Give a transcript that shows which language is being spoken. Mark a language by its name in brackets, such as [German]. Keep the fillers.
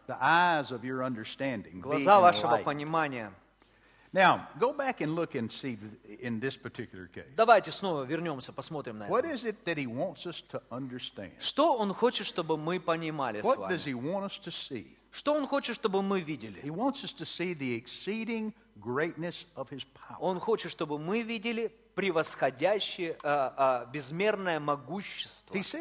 [Russian] Глаза вашего понимания. [English] Now, go back and look and see in this particular case. [Russian] Давайте снова вернемся, посмотрим на [English] What is it that he wants us to understand? [Russian] Что он хочет, чтобы мы понимали [English] What does he want us to see? [Russian] Что он хочет, чтобы мы видели? [English] He wants us to see the exceeding greatness of his power. [Russian] Он хочет, чтобы мы видели превосходящее, uh, uh, безмерное могущество.